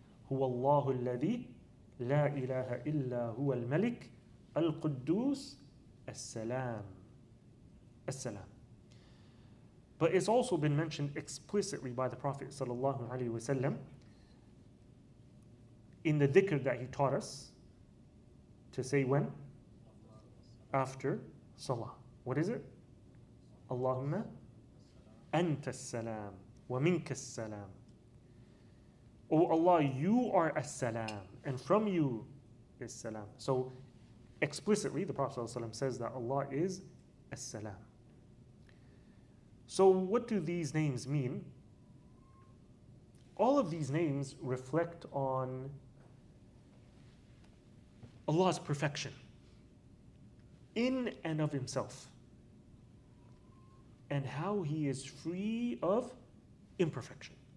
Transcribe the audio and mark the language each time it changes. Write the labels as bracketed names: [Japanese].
[Arabic] هُوَ اللَّهُ الَّذِي لَا إِلَهَ إِلَّا هُوَ الْمَلِكُ الْقُدُّوسِ السَّلَامُ السَّلَامُ. [English] But it's also been mentioned explicitly by the Prophet sallallahu alaihi wasallam in the dhikr that he taught us to say when? After salah. What is it? [Arabic] اللهم أنت السلام ومنك السلام. [English] O Allah, you are as-salam, and from you is salam. So explicitly, the Prophet ﷺ says that Allah is as-salam. So what do these names mean? All of these names reflect on Allah's perfection in and of himself, and how he is free of imperfection.